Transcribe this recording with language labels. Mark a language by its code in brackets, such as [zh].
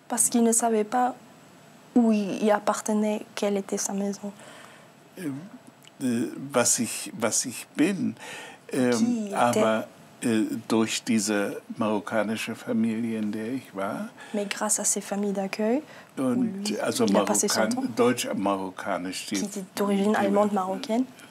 [fr] Parce qu'il ne savait pas où il appartenait, quelle était sa maison. [de] Was ich bin, aber durch diese marokkanische Familie, in der ich war. [fr] Mais grâce à ses familles d'accueil. [de] Und also deutsch-marokkanisch. Die sind [fr] d'origine allemande marocaine.